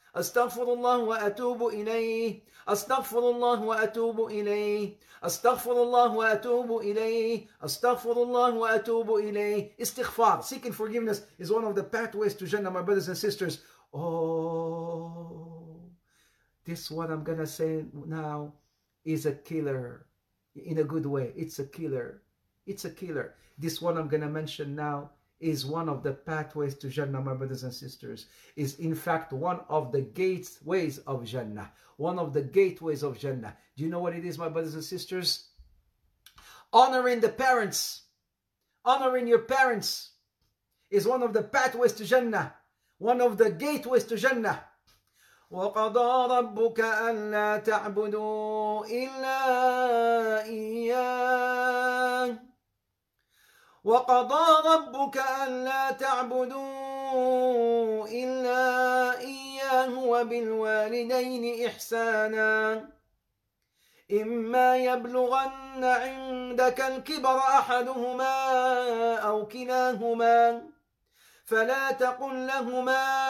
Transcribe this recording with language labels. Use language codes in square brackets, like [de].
[ar] أستغفر الله وأتوب إليه أستغفر الله وأتوب إليه أستغفر الله وأتوب إليه أستغفر الله وأتوب إليه استغفار [en] seeking forgiveness is one of the pathways to Jannah, my brothers and sisters. Oh, this what I'm gonna say now is a killer in a good way. It's a killer. This one I'm gonna mention now is one of the pathways to Jannah, my brothers and sisters. Is in fact one of the gateways of Jannah. One of the gateways of Jannah. Do you know what it is, my brothers and sisters? Honoring the parents. Honoring your parents is one of the pathways to Jannah. One of the gateways to Jannah. [ar] وَقَضَى رَبُّكَ أَلَّا تَعْبُدُوا إِلَّا إِيَّاهُ وَقَضَى رَبُّكَ أَلَّا تَعْبُدُوا إِلَّا إِيَّاهُ وَبِالْوَالِدَيْنِ إِحْسَانًا إِمَّا يَبْلُغَنَّ عِنْدَكَ الْكِبَرَ أَحَدُهُمَا أَوْ كِلَاهُمَا فَلَا تَقُلْ لَهُمَا